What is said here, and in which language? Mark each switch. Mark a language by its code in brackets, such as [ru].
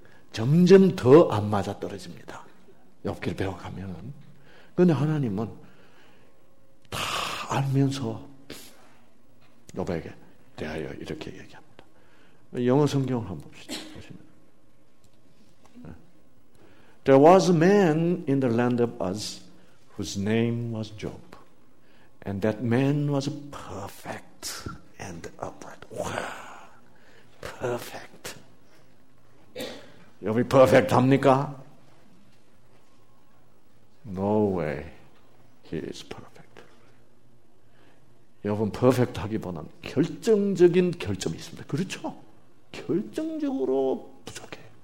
[ko] 점점 더 안 맞아 떨어집니다. 욥기를 배워가면. 그런데 하나님은 다 알면서 욥에게 대하여 이렇게 얘기합니다. 영어 성경을 한번 봅시다. [en] There was a man in the land of Uz whose name was Job. And that man was perfect and upright. Wow. Perfect. [ko] 여기 perfect 합니까? [en] No way. He is perfect. [ko] 여러분, perfect 하기보다는 결정적인 결점이 있습니다. 그렇죠? 결정적으로 부족해.